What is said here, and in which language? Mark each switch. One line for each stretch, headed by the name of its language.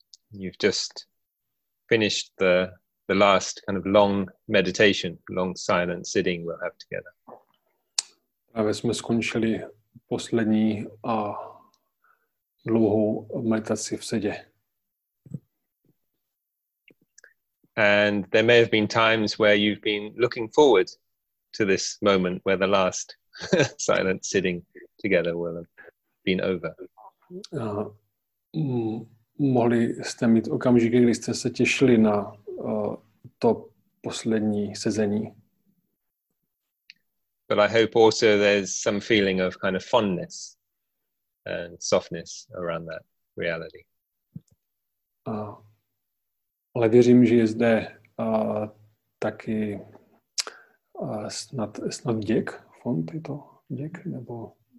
English: You've just finished the last kind of long meditation, long silent sitting we'll have together.
Czech: Právě jsme skončili poslední a dlouhou meditaci v sedě.
English: And there may have been times where you've been looking forward to this moment where the last silent sitting together will have been over.
Czech: Mohli jste mít okamžiky, kdy jste se těšili na to poslední sezení.
English: But I hope also there's some feeling of kind of fondness and softness around that reality.
Czech: Ale věřím, že je zde taky snad děk, fond, je to děk, nebo...